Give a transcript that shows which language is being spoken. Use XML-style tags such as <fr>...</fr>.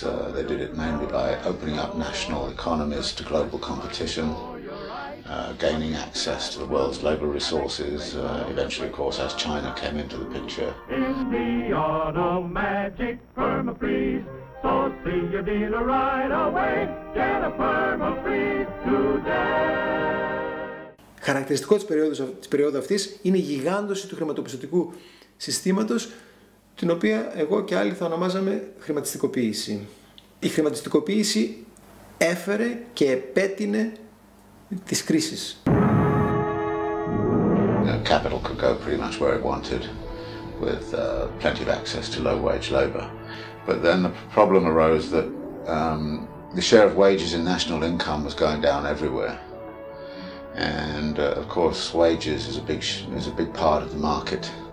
<en>They did it mainly by opening up national economies to global competition, gaining access to the world's labor resources, eventually, of course, as China came into the picture. In the automatic permafreeze, so see your dealer right away, get a permafreeze today.</en> <el>Χαρακτηριστικό της περίοδου αυτής είναι η γιγάντωση του χρηματοπιστωτικού συστήματος, την οποία εγώ και άλλοι θα ονομάζαμε χρηματιστικοποίηση. Η χρηματιστικοποίηση έφερε και επέτεινε τις κρίσεις.</el> <en>Capital could go pretty much where it wanted with plenty of access to low wage labor. But then the problem arose that the share of wages in national income was going down everywhere. And of course wages is a big part of the market.</en>